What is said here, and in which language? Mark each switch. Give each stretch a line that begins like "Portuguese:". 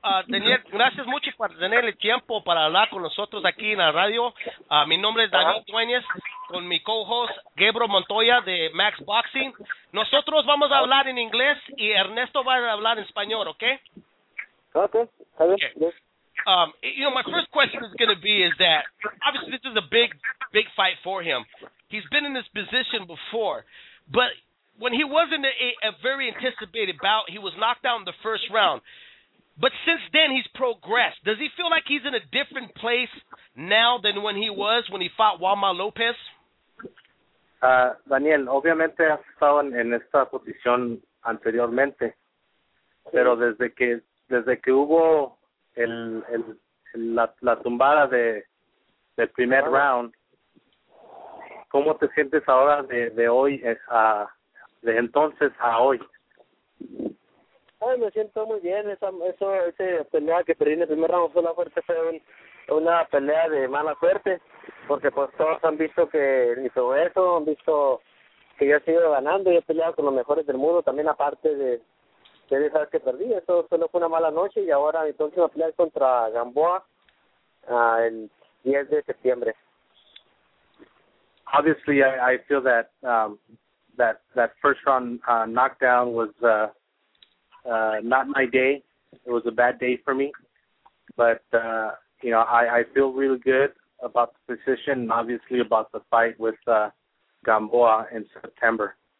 Spanish: Daniel, gracias mucho por tener el tiempo para hablar con nosotros aquí en la radio. Mi nombre es David Dueñas con mi co-host Gabriel Montoya de Max Boxing. Nosotros vamos a hablar en inglés y Ernesto va a hablar en español, ¿ok?
English: Okay. You know, my first question is going to be is that, obviously, this is a big, big fight for him. He's been in this position before, but when he was in a very anticipated bout, he was knocked out in the first round. But since then, he's progressed. Does he feel like he's in a different place now than when he was when he fought Wilma Lopez?
Spanish: Daniel, obviamente has estado en esta posición anteriormente, pero desde que hubo la tumbada del primer round, ¿cómo te sientes ahora de hoy de entonces a hoy? Ay, me siento muy bien. Esa pelea que perdí en el primer round fue una fuerte, fue una pelea de mala suerte, porque pues todos han visto que ni todo eso, han visto que yo he seguido ganando, yo he peleado con los mejores del mundo, también aparte de saber que perdí, eso solo fue una mala noche, y ahora mi próxima pelea es contra Gamboa el 10 de septiembre.
English: Obviously, I feel that that first round knockdown was not my day. It was a bad day for me. But, you know, I feel really good about the position and obviously about the fight with Gamboa in September.